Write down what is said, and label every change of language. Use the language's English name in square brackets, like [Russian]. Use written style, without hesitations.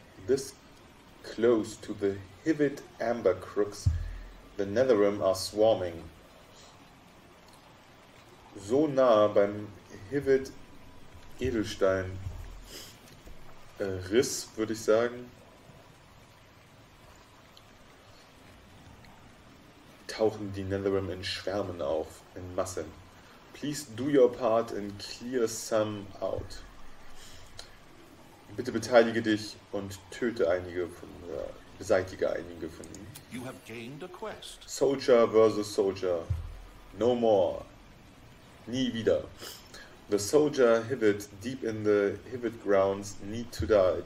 [English] This close to the Hivit Amber Crooks, the Netherrealm are swarming. [German] So nah beim Hivit Edelstein Riss, würde ich sagen, tauchen die Netherrealm in Schwärmen auf, in Massen. [English] Please do your part and clear some out. [German] Bitte beteilige dich und töte einige von, beseitige einige von ihnen. [English] You have gained a quest. Soldier versus Soldier. No more. [German] Nie wieder. [English] The soldier hivet deep in the hivet grounds need to die.